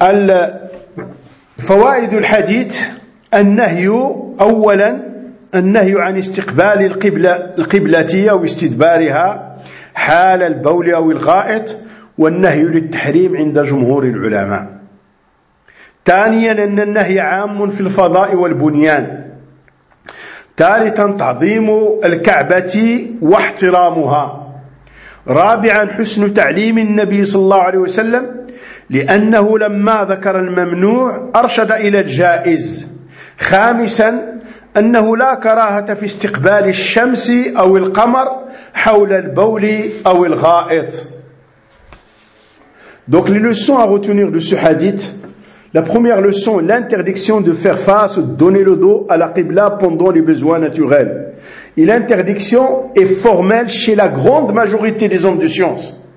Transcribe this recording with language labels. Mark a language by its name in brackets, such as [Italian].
[Arabic] Al-Fawaid al-Hadith, al-Nahyu, awalan, al-Nahyu an istiqbali al-Qiblatiya ou istidbariha, حال البول أو الغائط، والنهي للتحريم عند جمهور العلماء. ثانيا أن النهي عام في الفضاء والبنيان. ثالثا تعظيم الكعبة واحترامها. رابعا حسن تعليم النبي صلى الله عليه وسلم، لأنه لما ذكر الممنوع أرشد إلى الجائز. خامسا أنه لا كراهة في استقبال الشمس أو القمر حول البول أو الغائط. [French] Donc les leçons à retenir de ce hadith. La première leçon, l'interdiction de faire face ou de donner le dos à la Qibla pendant les besoins naturels. Et l'interdiction est formelle chez la grande majorité des hommes de science.